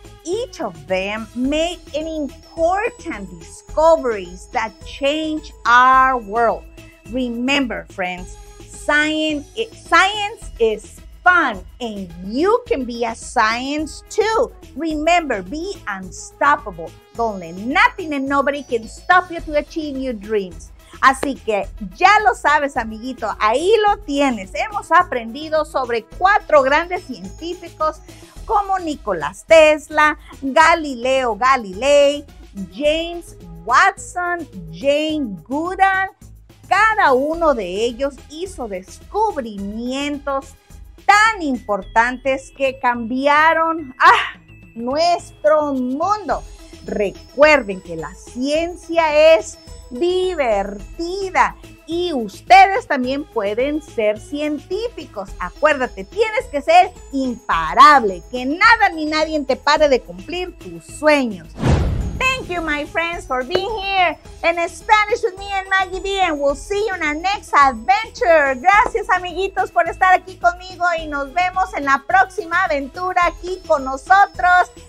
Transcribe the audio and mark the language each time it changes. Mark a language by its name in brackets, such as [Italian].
[English] Each of them made an important discoveries that change our world. Remember, friends, science is fun, and you can be a science too. Remember, be unstoppable. Don't let nothing and nobody can stop you to achieve your dreams. [Spanish] Así que ya lo sabes, amiguito, ahí lo tienes. Hemos aprendido sobre cuatro grandes científicos como Nikola Tesla, Galileo Galilei, James Watson, Jane Goodall. Cada uno de ellos hizo descubrimientos tan importantes que cambiaron nuestro mundo. Recuerden que la ciencia es divertida y ustedes también pueden ser científicos. Acuérdate, tienes que ser imparable, que nada ni nadie te pare de cumplir tus sueños. [English] Thank you, my friends, for being here in Spanish with me and Maggie B, and we'll see you in our next adventure. [Spanish] Gracias, amiguitos, por estar aquí conmigo y nos vemos en la próxima aventura aquí con nosotros.